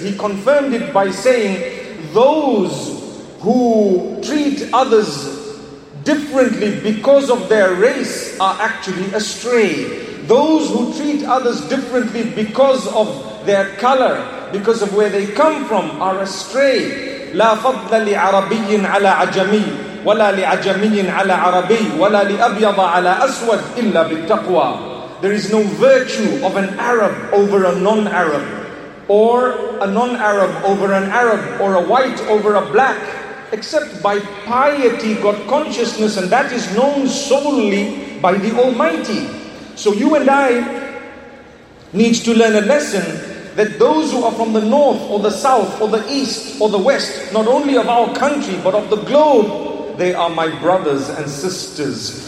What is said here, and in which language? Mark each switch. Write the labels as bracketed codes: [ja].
[en] He confirmed it by saying, those who treat others differently because of their race are actually astray. Those who treat others differently because of their color, because of where they come from, are astray. [ar] لا فضل لعربي على عجمي ولا لعجمي على عربي ولا لأبيض على أسود إلا بالتقوى. [en] There is no virtue of an Arab over a non-Arab, or a non-Arab over an Arab, or a white over a black, except by piety, God consciousness, and that is known solely by the Almighty. So you and I need to learn a lesson that those who are from the north or the south or the east or the west, not only of our country but of the globe, they are my brothers and sisters.